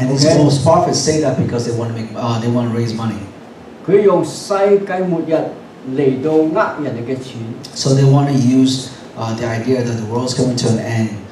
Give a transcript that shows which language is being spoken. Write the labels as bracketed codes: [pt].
[en] they don't. And these false prophets say that because they want to make, they want to raise money. [yue] 佢用世界末日嚟到呃人哋嘅錢。 [en] So they want to use the idea that the world's coming to an end